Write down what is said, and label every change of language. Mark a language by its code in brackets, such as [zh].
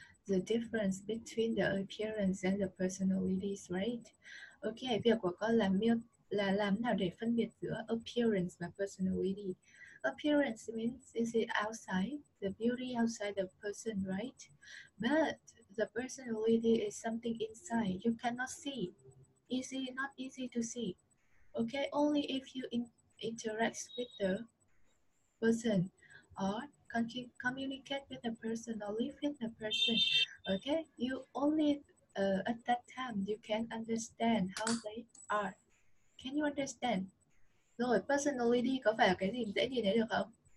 [en] The difference between the appearance and the personality is right. [vi] Ok, việc của con là làm nào để phân biệt giữa appearance và personality. [en] Appearance means is it outside, the beauty outside the person, right? But the personality is something inside, you cannot see. Is it not easy to see? Okay, only if you interact with the person or communicate with the person or live with the person, okay, you only at that time you can understand how they are. Can you understand? [vi] Rồi, personality có phải là cái gì dễ nhìn thấy được không?